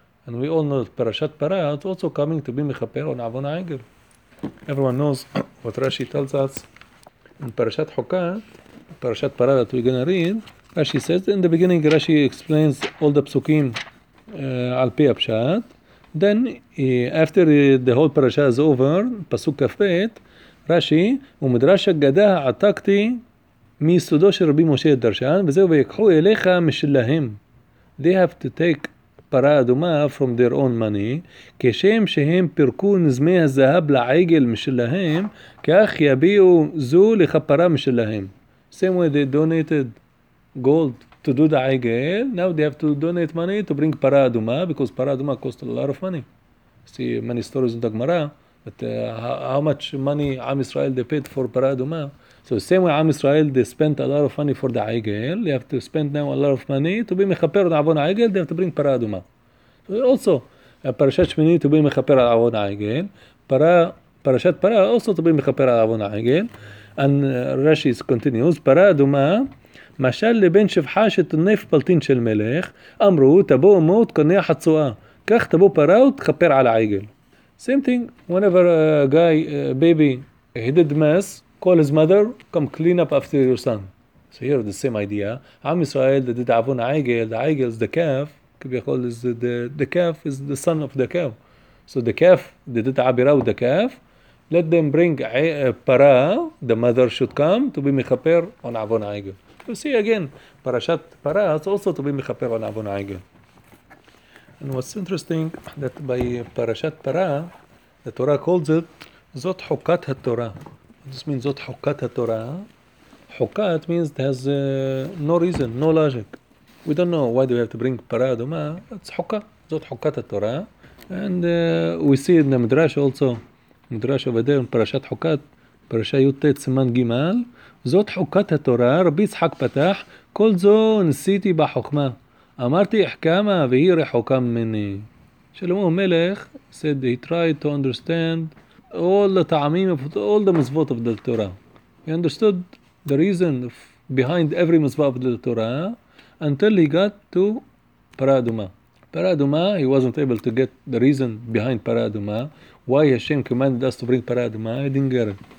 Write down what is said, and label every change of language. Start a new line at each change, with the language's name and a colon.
English: And we all know that Parashat Parah is also coming to be Mechaper on Avon Aigel. Everyone knows what Rashi tells us in Parashat Chukat, Parashat Parah that we're going to read. Rashi says in the beginning, Rashi explains all the Psukim Al Pi Apshat. Then, after the whole parasha is over, Pasuk Kafet, Rashi,
Hebrew: ומדרש הגדה עתקתי מיסודו של רבי משה דרשן, וזהו, ויקחו אליך משלהם.
English: They have to take
Hebrew: פרה אדומה
English: from their own money,
Hebrew: כשם שהם פירקו נזמי הזהב לעגל משלהם, כך יביאו זו לכפרה משלהם.
English: Same way they donated gold to do the Aigel, now they have to donate money to bring Parah Adumah, because Parah Adumah cost a lot of money. See many stories in the Gemara, but how much money Am Israel they paid for Parah Adumah. So same way Am Israel, they spent a lot of money for the Aigel, they have to spend now a lot of money to be Mechaper on Avon Aigel, they have to bring Parah Adumah. So also, Parashat Shmini to be Mechaper on Avon Aigel, Parashat Parah also to be Mechaper on Avon Aigel, and Rashi continues, Parah Adumah,
Hebrew: משל לבן שפחה שתונף פלטין של מלך, אמרו, תבוא מות, קונה חצועה. כך תבוא פרה ותכפר על העגל.
English: Same thing, whenever a guy, a baby, he did mess, call his mother, come clean up after your son. So here the same idea. Am Israel, they did avon העגל, the עגל is the calf, כביכול, the calf is the son of the calf. So the calf, they did עבירה with the calf, let them bring פרה, the mother should come, to be מכפר on avon העגל. You see again, Parashat Parah is also to be Mechaper on Avon Aigel. And what's interesting, that by Parashat Parah, the Torah calls it Zot Chukat HaTorah. This means Zot Chukat HaTorah. Chukat means it has no reason, no logic. We don't know why do we have to bring Parah Adumah. It's Chukah, Zot Chukat HaTorah. And we see in the Midrash also, Midrash over there in Parashat Chukat, Parashat Yutet Siman Gimal,
Hebrew: זאת חוקת התורה, רבי יצחק פתח, כל זו נסיתי בחוכמה. אמרתי, חכמה, והיא רחוקה ממני.
English: שלמה המלך, said he tried to understand all the טעמים, all the מצוות of the Torah. He understood the reason behind every מצווה of the Torah, until he got to פרה אדומה. פרה אדומה, he wasn't able to get the reason behind פרה אדומה, why Hashem commanded us to bring פרה אדומה, he didn't get it.